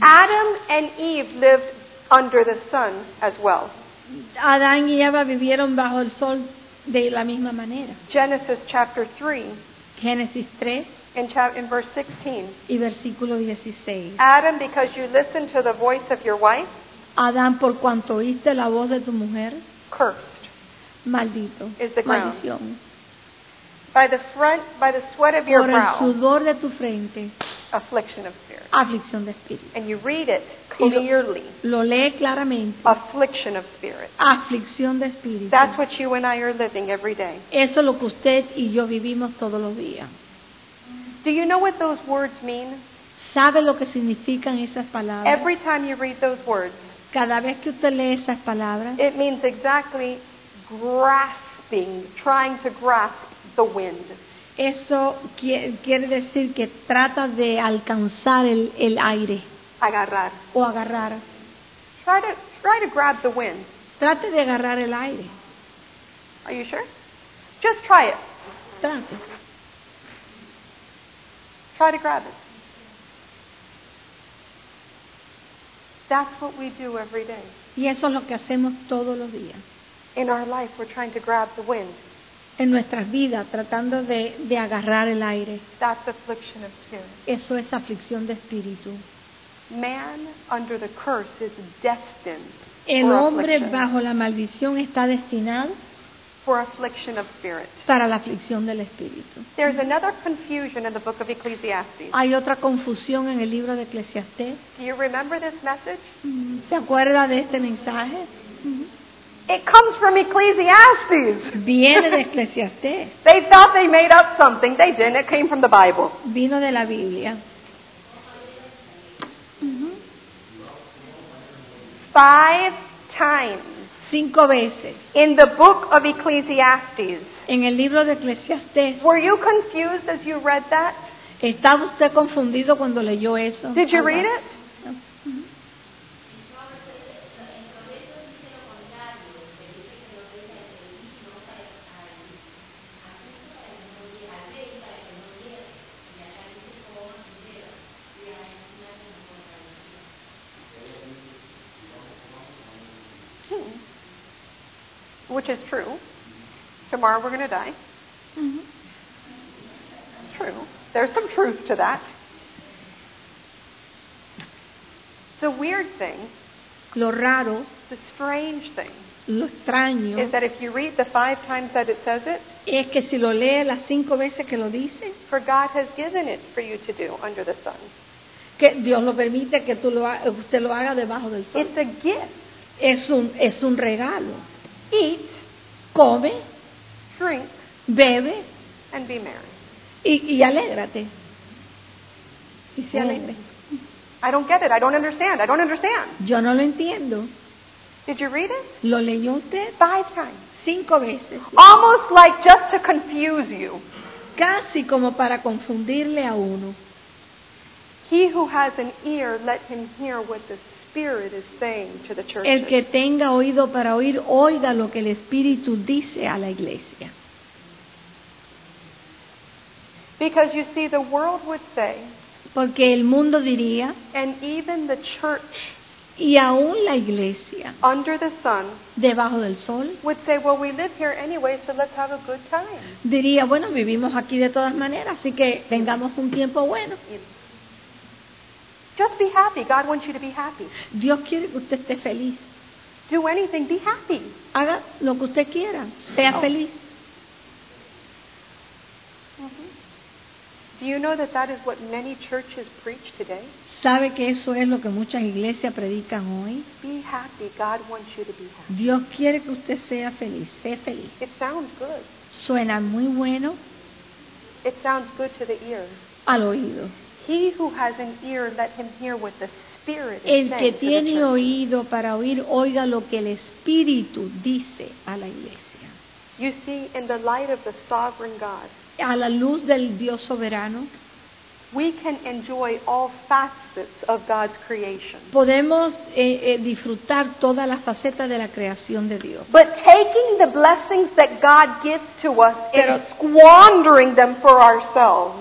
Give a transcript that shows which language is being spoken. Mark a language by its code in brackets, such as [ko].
[en] Adam and Eve lived under the sun as well. [es] Adán y Eva vivieron bajo el sol. De la misma manera. [en] Genesis chapter 3. [es] Génesis 3. [en] In verse 16. [es] Y versículo 16. [en] Adam, because you listened to the voice of your wife. [es] Adán, por cuanto oíste la voz de tu mujer. [en] Cursed. [es] Maldito. [en] Is the ground. [es] Maldición. [en] By the sweat of your brow. [es] Por el sudor de tu frente. [en] Affliction of spirit. [es] Aflicción de espíritu. [en] And you read it clearly. [es] Lo lee claramente. [en] Affliction of spirit. [es] Aflicción de espíritu. [en] That's what you and I are living every day. [es] Eso es lo que usted y yo vivimos todos los días. [en] Do you know what those words mean? [es] ¿Sabe lo que significan esas palabras? [en] Every time you read those words. [es] Cada vez que usted lee esas palabras. [en] It means exactly grasping, trying to grasp the wind. [es] Eso quiere decir que trata de alcanzar el aire. Agarrar. O agarrar. [en] Try to grab the wind. [es] Trate de agarrar el aire. [en] Are you sure? Just try it. [es] Trate. [en] Try to grab it. That's what we do every day. [es] Y eso es lo que hacemos todos los días. [en] In our life, we're trying to grab the wind. [es] En nuestras vidas, tratando de agarrar el aire. [en] That's affliction of spirit. [es] Eso es aflicción de espíritu. [en] Man under the curse is destined for affliction. [es] El hombre bajo la maldición está destinado [en] for affliction of spirit. [es] Para la aflicción del espíritu. [en] There's another confusion in the book of Ecclesiastes. [es] Hay otra confusión en el libro de Eclesiastés. [en] Do you remember this message? [es] ¿Se acuerda de este mensaje? [en] It comes from Ecclesiastes. [es] Viene de Eclesiastés. [en] They thought they made up something. They didn't. It came from the Bible. [es] Vino de la Biblia. [en] Five times. [es] Cinco veces. [en] In the book of Ecclesiastes. [es] En el libro de Eclesiastés. [en] Were you confused as you read that? [es] ¿Estaba usted confundido cuando leyó eso? [en] Did you read it? Which is true. Tomorrow we're going to die. Mm-hmm. True. There's some truth to that. The weird thing, [es] lo raro, [en] the strange thing, [es] lo extraño, [en] is that if you read the five times that it says it, [es] es que si lo lee las cinco veces que lo dice, [en] for God has given it for you to do under the sun. [es] Que Dios lo permite que tú usted lo haga debajo del sol. [en] It's a gift. [es] Es un regalo. [en] Eat, [es] come, [en] drink, [es] bebe, [en] and be merry. [es] Y alégrate. Y sea alegre. [en] I don't get it. I don't understand. [es] Yo no lo entiendo. [en] Did you read it? [es] ¿Lo leyó usted? [en] Five times. [es] Cinco veces. [en] Almost like just to confuse you. [es] Casi como para confundirle a uno. [en] He who has an ear, let him hear what the Spirit is saying to the churches. [es] El que tenga oído para oír, oiga lo que el Espíritu dice a la iglesia. [en] Because you see, the world would say, [es] porque el mundo diría, [en] and even the church [es] Y aún la iglesia, [en] under the sun, [es] debajo del sol, [en] would say, well, we live here anyway, so let's have a good time. [es] Diría, bueno, vivimos aquí de todas maneras, así que tengamos un tiempo bueno. [en] Just be happy. God wants you to be happy. [es] Dios quiere que usted esté feliz. [en] Do anything, be happy. [es] Haga lo que usted quiera, sea feliz. [en] Do you know that that is what many churches preach today? [es] ¿Sabe que eso es lo que muchas iglesias predican hoy? [en] Be happy. God wants you to be happy. [es] Dios quiere que usted sea feliz. Sé feliz. [en] It sounds good. [es] Suena muy bueno. [en] It sounds good to the ear. [es] Al oído. [en] He who has an ear, let him hear what the Spirit is saying. [es] El que tiene oído para oír, oiga lo que el Espíritu dice a la iglesia. [en] You see, in the light of the sovereign God, [es] a la luz del Dios soberano, [en] we can enjoy all facets of God's creation. [es] Podemos disfrutar todas las facetas de la creación de Dios. [en] But taking the blessings that God gives to us and squandering them for ourselves.